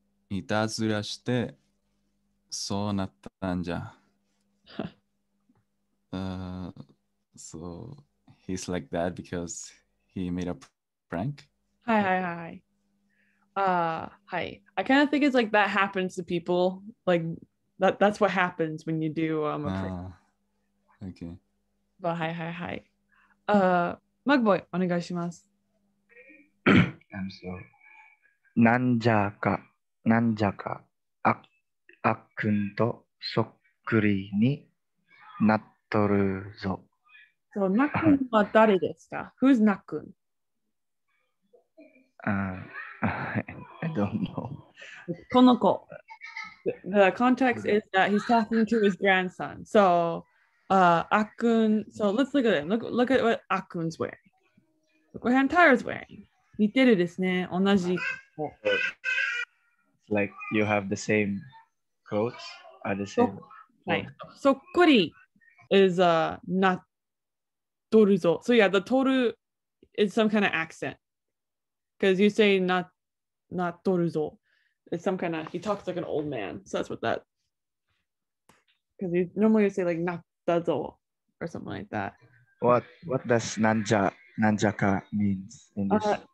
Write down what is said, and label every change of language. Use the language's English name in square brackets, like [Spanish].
[Japanese] いたずらしてそうなったんじゃ。 [English] So he's like that because he made a prank. Hi, hi, hi. Hi. I kind of think it's like that happens to people. Like that's what happens when you do a prank. Okay. But hi, hi, hi. Mugboy, [Japanese] お願いします。 [English] I'm sorry. [Japanese] なんじゃか、なんじゃか、あっくんとそっくりになっとるぞ。そう、なくんは誰ですか ? [English] Who's [Japanese] なくん [English] I don't know. [Japanese] この子。 [English] The context is that he's talking to his grandson. So, あっくん、so let's look at it. Look at what あっくん's wearing. Look what Hamtaro's wearing. [Japanese] 似てるですね、同じ。 [English] So, like you have the same clothes are the same. [Japanese] そっくり [English] is [Japanese] なっとるぞ. [English] So yeah, the とる is some kind of accent. Because you say [Japanese] なっとるぞ. [English] It's some kind of, he talks like an old man. So that's what that. Because you normally say like [Japanese] なったぞ [English] or something like that. What does [Japanese] なんじゃか [English] means in this?